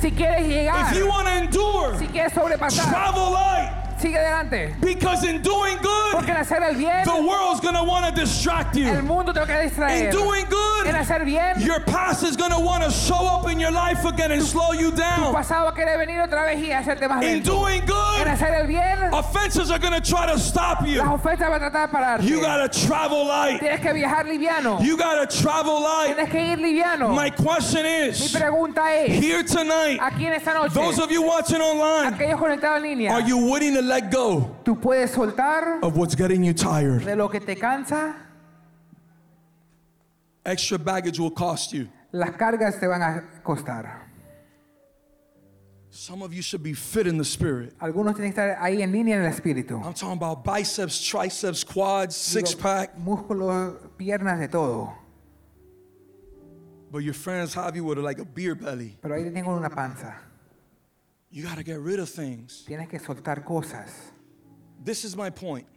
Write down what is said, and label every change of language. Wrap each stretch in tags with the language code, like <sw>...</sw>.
<es>si quieres llegar.</es> <en>If you wanna endure,</en> <es>si quieres sobrepasar.</es> <en>Travel light.</en> <es>Sigue adelante.</es> <en>Because in doing good,</en> <es>porque en hacer el bien,</es> <en>the world's gonna want to distract you.</en> <es>El mundo te va a distraer.</es> <en>In doing good,</en> <es>en hacer bien,</es> <en>your past is gonna want to show up in your life again and slow you down.</en> <es>Tu pasado va a querer venir otra vez y hacerte más lento.</es> <en>In doing good,</en> <es>en hacer el bien,</es> <en>offenses are gonna try to stop you.</en> <es>Las ofensas van a tratar de pararte.</es> <en>You gotta travel light.</en> <es>Tienes que viajar liviano.</es> <en>You gotta travel light.</en> <es>Tienes que ir liviano.</es> <en>My question is,</en> <es>mi pregunta es,</es> <en>here tonight,</en> <es>aquí en esta noche,</es> <en>those of you watching online,</en> <es>aquellos conectados en línea,</es> <en>are you willing to let go of what's getting you tired?</en> <es>De lo que te cansa,</es> <en>extra baggage will cost you.</en> <es>Las cargas te van a costar.</es> <en>Some of you should be fit in the spirit.</en> <es>Algunos tienen que estar ahí en línea en el espíritu.</es> <en>I'm talking about biceps, triceps, quads, six pack.</en> <es>Músculos, piernas, de todo.</es> <en>But your friends have you with like a beer belly.</en> <es>Pero ahí tengo una panza.</es> <en>You gotta get rid of things.</en> <es>Tienes que soltar cosas.</es> <en>This is my point.</en>